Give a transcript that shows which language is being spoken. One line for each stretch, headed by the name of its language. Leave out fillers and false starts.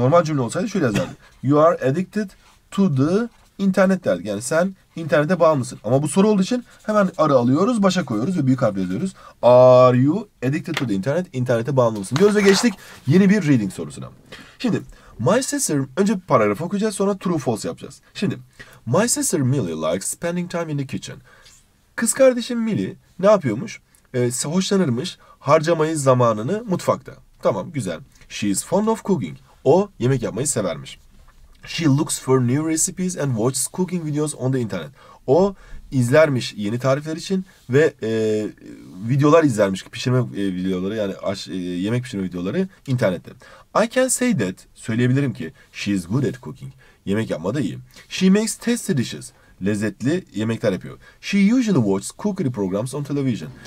Turkish: Bak normal cümle olsaydı şöyle yazardı.
English: You are addicted to the internet
Turkish: derdik. Yani sen internete bağımlısın. Ama bu soru olduğu için hemen arı alıyoruz, başa koyuyoruz ve büyük harfle yazıyoruz.
English: Are you addicted to the internet?
Turkish: İnternete bağımlı mısın? Diyoruz ve geçtik yeni bir reading sorusuna. Şimdi my sister, önce paragrafı okuyacağız sonra true false yapacağız.
English: Şimdi my sister Millie likes spending time in the kitchen.
Turkish: Kız kardeşim Millie ne yapıyormuş? Hoşlanırmış harcamayı zamanını mutfakta. Tamam güzel.
English: She is fond of cooking.
Turkish: O yemek yapmayı severmiş.
English: She looks for new recipes and watches cooking videos on the internet.
Turkish: O izlermiş yeni tarifler için ve videolar izlermiş pişirme videoları yani yemek pişirme videoları internette.
English: I can say that,
Turkish: söyleyebilirim ki,
English: she is good at cooking.
Turkish: Yemek yapmada iyi.
English: She makes tasty dishes.
Turkish: Lezzetli yemekler yapıyor.
English: She usually watches cookery programs on television.